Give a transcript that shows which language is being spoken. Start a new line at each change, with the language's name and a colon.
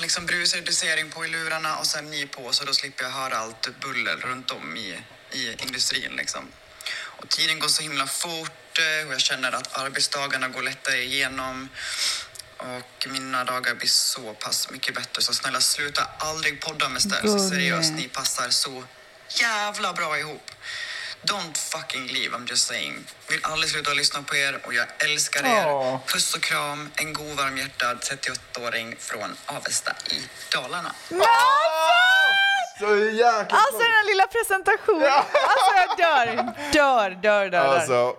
Swedish: har liksom brusreducering på i lurarna och sen ni på, så då slipper jag höra allt buller runt om i industrin liksom. Och tiden går så himla fort och jag känner att arbetsdagarna går lättare igenom och mina dagar blir så pass mycket bättre. Så snälla, sluta aldrig podda med Stel, så seriöst, ni passar så jävla bra ihop.
English: Don't fucking leave, I'm just saying.
Swedish: Vill aldrig sluta lyssna på er och jag älskar er. Puss och kram, en god varm hjärtad 38-åring från Avesta i Dalarna. Så jäkla. Alltså den här lilla presentationen. Alltså jag dör. Alltså,